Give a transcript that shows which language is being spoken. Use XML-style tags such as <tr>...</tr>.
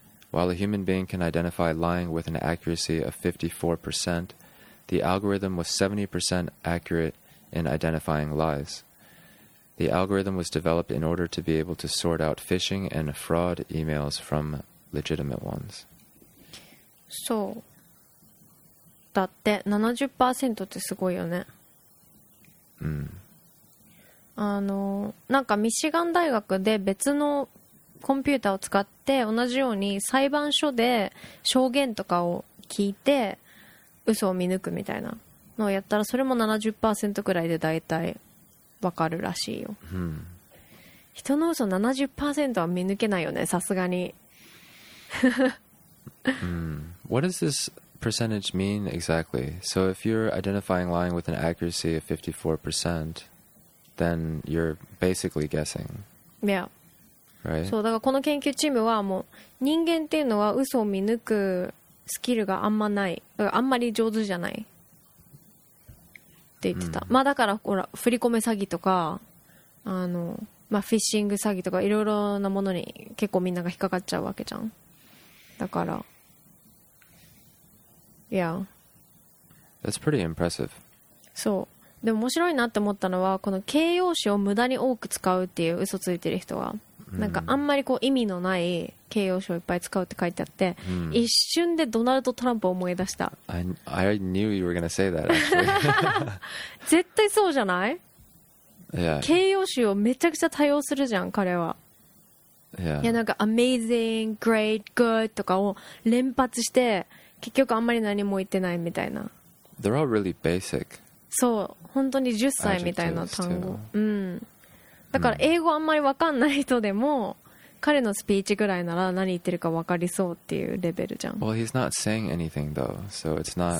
<en>While a human being can identify lying with an accuracy of 54%, the algorithm was 70% accurate in identifying lies. The algorithm was developed in order to be able to sort out phishing and fraud emails from legitimate ones. So...</en> <ja>だって 70% ってすごいよね。うん。あのなんかミシガン大学で別のコンピューターを使って同じように裁判所で証言とかを聞いて嘘を見抜くみたいなのをやったら、それも 70% くらいでだいたいわかるらしいよ。うん。人の嘘 70% は見抜けないよね、さすがに。</ja> <en>うん。What is this? Percentage mean exactly? So if you're identifying lying with an accuracy of 54%, then you're basically guessing. Yeah. Right.</en> <ja>そうだから、この研究チームはもう人間っていうのは嘘を見抜くスキルがあんまない、あんまり上手じゃないって言ってた。 Mm. まあだからほら振り込め詐欺とか、あのまあフィッシング詐欺とかいろいろなものに結構みんなが引っかかっちゃうわけじゃん。だから。</ja> <en>Yeah. That's pretty impressive.</en> <ja>そう。でも面白いなって思ったのは、この形容詞を無駄に多く使うっていう嘘ついてる人は、なんかあんまりこう意味のない形容詞をいっぱい使うって書いてあって、一瞬でドナルド・トランプを思い出した。</ja> <en>I knew you were gonna say that, actually.</en> <ja>絶対そうじゃない?</ja> <en>yeah.</en> <ja>形容詞をめちゃくちゃ多用するじゃん彼は。</ja> <en>Yeah.</en> <ja>いやなんか</ja> <en>amazing, great, good</en> <ja>とかを連発して結局あんまり何も言ってないみたいな。</ja> <en>They're all really basic.</en> <ja>そう本当に10歳みたいな単語。うん。だから英語あんまり分かんない人でも、彼のスピーチぐらいなら何言ってるか分かりそうっていうレベルじゃん。</ja> <en>Well, he's not saying anything though, so it's not good.</en>